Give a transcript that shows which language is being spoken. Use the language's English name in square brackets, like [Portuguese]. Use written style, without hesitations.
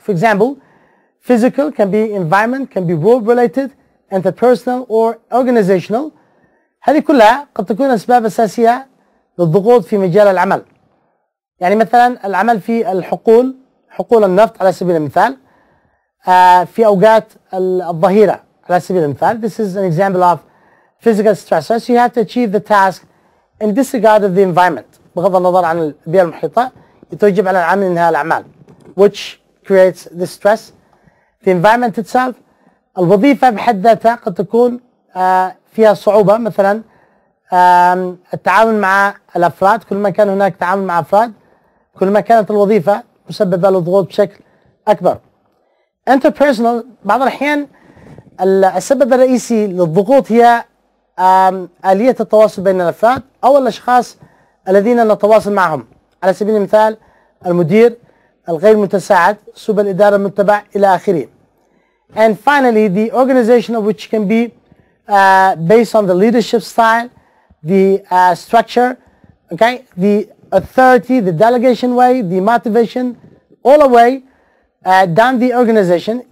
[English] For example, physical can be environment, can be work-related, interpersonal or organizational. [Arabic] هذه كلها قد تكون أسباب أساسية للضغوط في مجال العمل. يعني مثلا العمل في الحقول, حقول النفط على سبيل المثال, في أوقات الظهيرة على سبيل المثال. [English] This is an example of physical stressors. You have to achieve the task in disregard of the environment. [Arabic] بغض النظر عن البيئة المحيطة, يتوجب على العامل إنهاء الأعمال, [English] which creates the stress. The environment itself, [Arabic] الوظيفة بحد ذاتها قد تكون فيها صعوبة. مثلا التعامل مع الأفراد, كلما كان هناك تعامل مع أفراد كلما كانت الوظيفة مسببة للضغوط بشكل أكبر. Interpersonal, بعض الأحيان السبب الرئيسي للضغوط هي آلية التواصل بين الأفراد أو الأشخاص الذين نتواصل معهم, على سبيل المثال المدير, الغير متساعد, سوء الإدارة المتبع إلى آخره. [English] And finally, the organizational, which can be based on the leadership style, the structure, okay, the authority, the delegation way, the motivation, all the way down the organization.